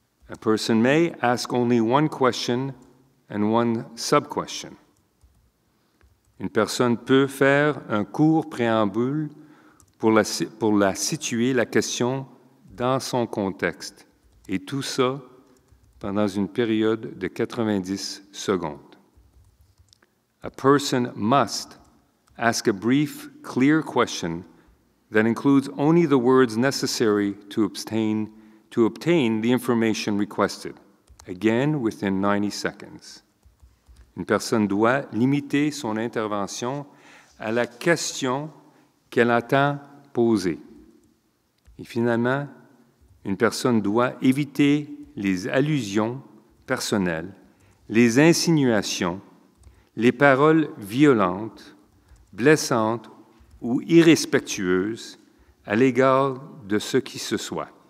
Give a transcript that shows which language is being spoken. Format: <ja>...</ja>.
<en>A person may ask only one question and one sub-question.</en> <fr>Une personne peut faire un court préambule pour la situer la question dans son contexte. Et tout ça pendant une période de 90 secondes.</fr> <en>A person must ask a brief, clear question that includes only the words necessary to obtain the information requested, again within 90 seconds.</en> <fr>Une personne doit limiter son intervention à la question qu'elle attend poser. Et finalement, une personne doit éviter les allusions personnelles, les insinuations, les paroles violentes, blessantes ou irrespectueuses à l'égard de ce qui se soit.</fr>